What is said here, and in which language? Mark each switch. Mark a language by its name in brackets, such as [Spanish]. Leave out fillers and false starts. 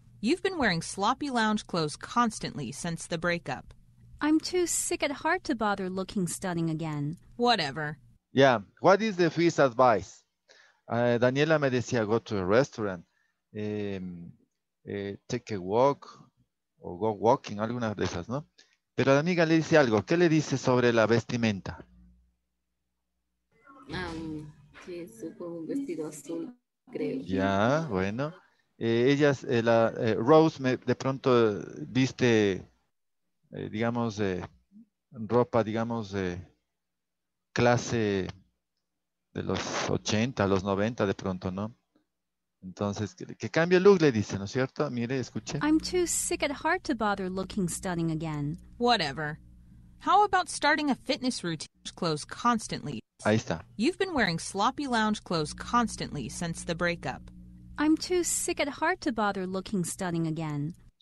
[English] You've been wearing sloppy lounge clothes constantly since the breakup. I'm too sick at heart to bother looking stunning again. Whatever. Yeah. What is the first advice? [Spanish] Daniela me decía, [English] go to a restaurant, take a walk, o go walking, [Spanish] alguna de esas, ¿no? Pero la amiga le dice algo. ¿Qué le dice sobre la vestimenta? Que es un vestido azul, creo. Ya, bueno. Ellas, la Rose, de pronto viste... digamos, ropa, digamos, de clase de los 80, los 90, de pronto, ¿no? Entonces, que cambie el look, le dice, ¿no es cierto? Mire, escuche. [English] I'm too sick at heart to bother looking stunning again. Whatever. How about starting a fitness routine clothes constantly? [Spanish] Ahí está. [English] You've been wearing sloppy lounge clothes constantly since the breakup. I'm too sick at heart to bother looking stunning again.